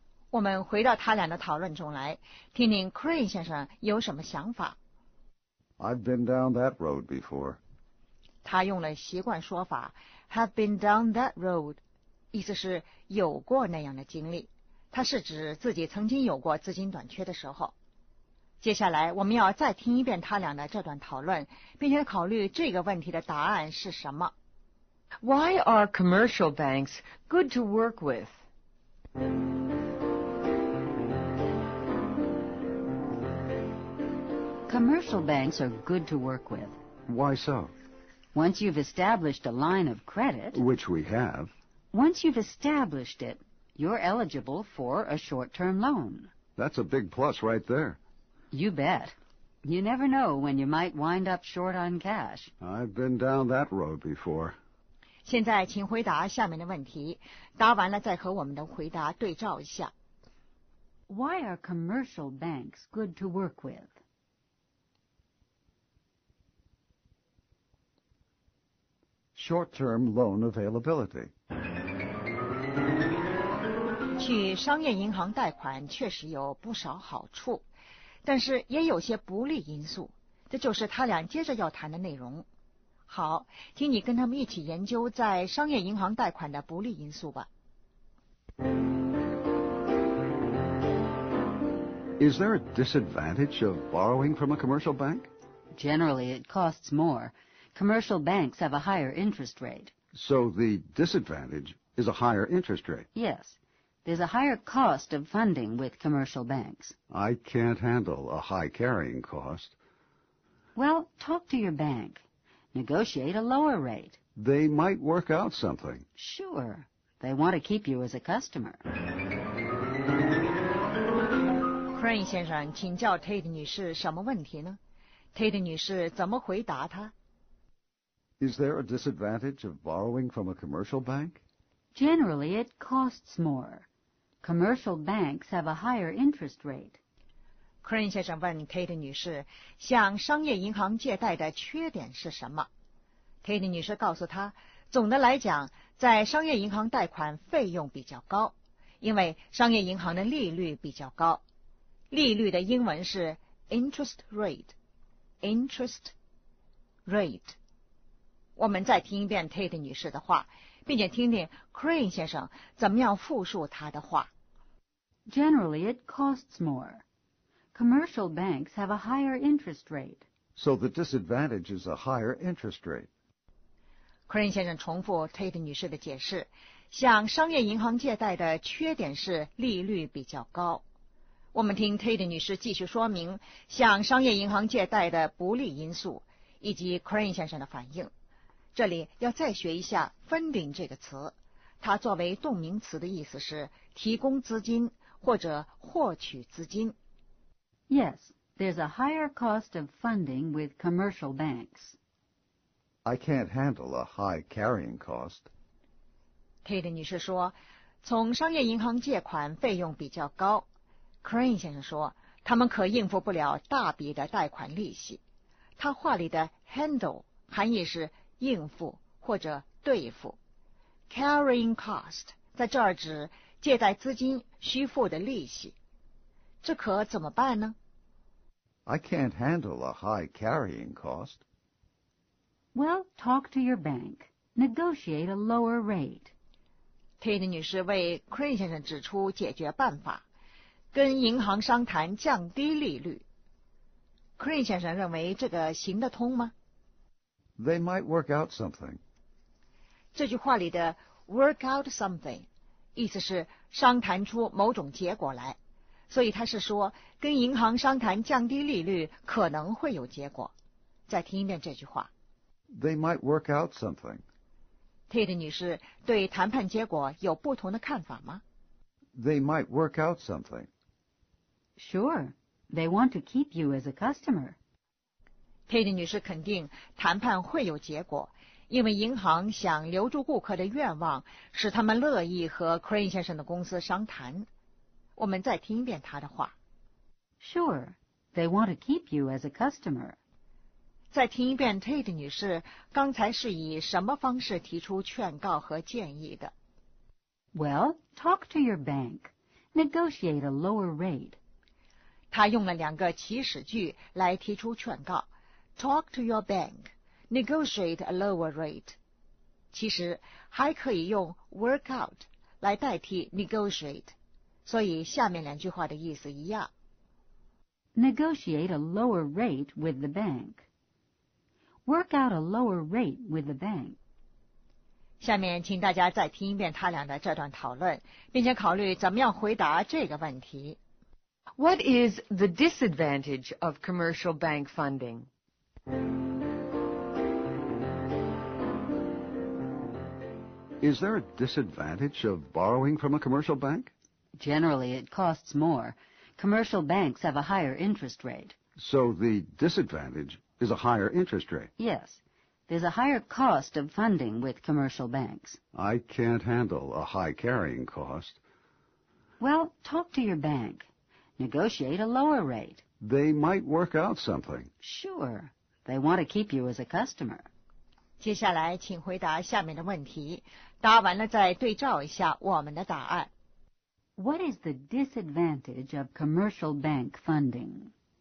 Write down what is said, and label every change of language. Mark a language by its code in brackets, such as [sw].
[zh] 我们回到他俩的讨论中来，听听 Crane 先生有什么想法。 [en] I've been down that road before. [zh] 他用了习惯说法 [en] have been down that road， [zh] 意思是有过那样的经历。他是指自己曾经有过资金短缺的时候。接下来我们要再听一遍他俩的这段讨论，并且考虑这个问题的答案是什么。 [en] Why are commercial banks good to work with? Commercial banks are good to work with. Why so? Once you've established a line of credit, which we have, once you've established it, you're eligible for a short-term loan. That's a big plus right there. You bet. You never know when you might wind up short on cash. I've been down that road before. [zh] 现在请回答下面的问题，答完了再和我们的回答对照一下。 [en] Why are commercial banks good to work with? Short-term loan availability. [zh] 去商业银行贷款确实有不少好处，但是也有些不利因素，这就是他俩接着要谈的内容。好，请你跟他们一起研究在商业银行贷款的不利因素吧。 [en] Is there a disadvantage of borrowing from a commercial bank? Generally, it costs more. Commercial banks have a higher interest rate. So the disadvantage is a higher interest rate? Yes. There's a higher cost of funding with commercial banks. I can't handle a high carrying cost. Well, talk to your bank. Negotiate a lower rate. They might work out something. Sure. They want to keep you as a customer. [zh] Crane 先生请教 Tate 女士什么问题呢？Tate 女士怎么回答她？ [en] Is there a disadvantage of borrowing from a commercial bank? Generally, it costs more. Commercial banks have a higher interest rate. [zh] Crane 先生问 Tate 女士，向商业银行借贷的缺点是什么？ Tate 女士告诉她，总的来讲，在商业银行贷款费用比较高，因为商业银行的利率比较高。利率的英文是 interest rate, interest rate。我们再听一遍 Tate 女士的话，并且听听 Crane 先生怎么样复述她的话。 [en] Generally, it costs more. Commercial banks have a higher interest rate. So the disadvantage is a higher interest rate. [zh] Crane 先生重复 Tate 女士的解释，向商业银行借贷的缺点是利率比较高。我们听 Tate 女士继续说明向商业银行借贷的不利因素以及 Crane 先生的反应。这里要再学一下 funding 这个词，它作为动名词的意思是提供资金或者获取资金。 [en] Yes, there's a higher cost of funding with commercial banks. I can't handle a high carrying cost. [zh] Tate 女士说，从商业银行借款费用比较高。 Crane 先生说，他们可应付不了大笔的贷款利息。他话里的 handle 含义是应付或者对付。 Carrying cost 在这儿指借贷资金需付的利息。这可怎么办呢？ [en] I can't handle a high carrying cost. Well, talk to your bank. Negotiate a lower rate. [zh] Tate 女士为 Crane 先生指出解决办法。跟银行商谈降低利率。Crane 先生认为这个行得通吗？ [en] They might work out something. [zh] 这句话里的 [en] work out something [zh] 意思是商谈出某种结果来，所以他是说跟银行商谈降低利率可能会有结果。再听一遍这句话。 [en] They might work out something. [zh] Tate 女士对谈判结果有不同的看法吗？ [en] They might work out something. Sure, they want to keep you as a customer. [zh] Tate 女士肯定谈判会有结果，因为银行想留住顾客的愿望使他们乐意和 Crane 先生的公司商谈。我们再听一遍他的话。 [en] Sure, they want to keep you as a customer. [zh] 再听一遍 Tate 女士刚才是以什么方式提出劝告和建议的。 [en] Well, talk to your bank. Negotiate a lower rate. [zh] 他用了两个祈使句来提出劝告。 [en] Talk to your bank. Negotiate a lower rate. [zh] 其实还可以用 work out 来代替 negotiate. 所以下面两句话的意思一样。 [en] Negotiate a lower rate with the bank. Work out a lower rate with the bank. [zh] 下面请大家再听一遍他俩的这段讨论，并且考虑怎么样回答这个问题。 [en] What is the disadvantage of commercial bank funding? Is there a disadvantage of borrowing from a commercial bank? Generally, it costs more. Commercial banks have a higher interest rate. So the disadvantage is a higher interest rate? Yes. there's a higher cost of funding with commercial banks. I can't handle a high carrying cost. Well, talk to your bank. Negotiate a lower rate. They might work out something. Sure. They want to keep you as a customer. [zh] 接下来请回答下面的问题。答完了再对照一下我们的答案。 [en] What is the disadvantage of commercial bank funding?